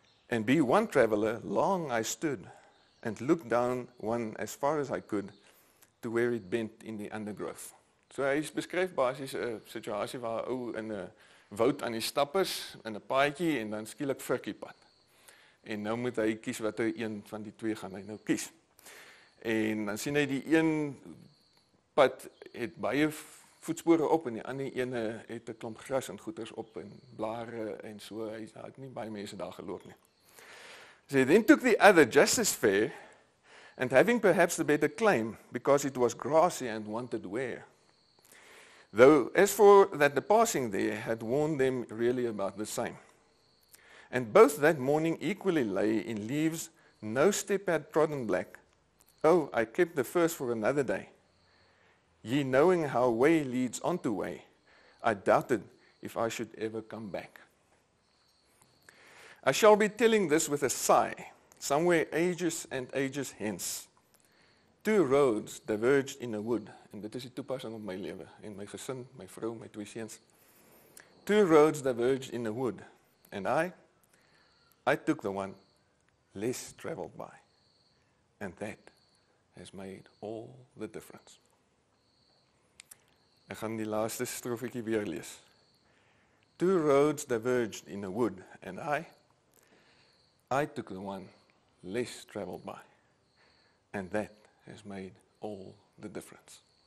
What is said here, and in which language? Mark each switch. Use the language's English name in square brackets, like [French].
[English] And be one traveller, long I stood, and looked down one as far as I could, to where it bent in the undergrowth. [Afrikaans] So hy beskryf basies 'n situasie waar 'n ou in 'n woud aan die stap is, in 'n paadjie, en dan skielik virkie pad. En nou moet hy kies wat hy een van die twee gaan hy nou kies. En dan sien hy die een pad het baie voetspore op en die ander ene het 'n klomp gras en goeters op en blare en so. Hy het nie baie mense daar geloop nie. [English] So he then took the other just as fair and having perhaps the better claim because it was grassy and wanted wear. Though as for that the passing there had warned them really about the same. And both that morning equally lay in leaves, no step had trodden black, Oh, I kept the first for another day. Ye knowing how way leads unto way, I doubted if I should ever come back. I shall be telling this with a sigh, somewhere ages and ages hence. Two roads diverged in a wood, and [Afrikaans] dit is die toepassing op my lewe, en my gesin, my vrou, my twee seuns. [English] Two roads diverged in a wood, and I took the one less traveled by, and that has made all the difference. [Afrikaans] Ek gaan die laaste strofietjie weer lees. [English] Two roads diverged in a wood, and I took the one less traveled by, and that has made all the difference.